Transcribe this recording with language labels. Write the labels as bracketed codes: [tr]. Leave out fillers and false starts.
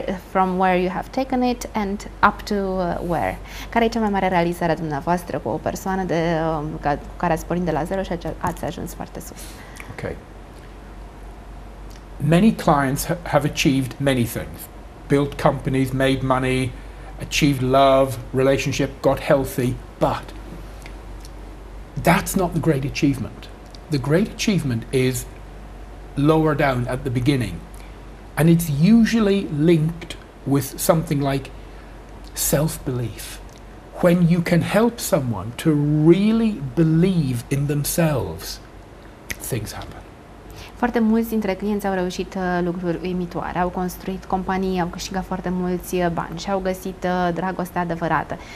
[en] From where you have taken it and up to where? [ro] Care e cea mai mare realizare a dumneavoastră cu o persoană de cu care ați pornit de la zero și ați ajuns foarte sus? [en] Okay. Many clients have achieved many things. Built companies, made money, achieved love, relationship, got healthy. But that's not the great achievement. The great achievement is lower down at the beginning. And it's usually linked with something like self-belief. When you can help someone to really believe in themselves, things happen. [ro] Foarte mulți dintre clienți au reușit lucruri uimitoare, au construit companii, au câștigat foarte mulți bani și au găsit dragostea adevărată.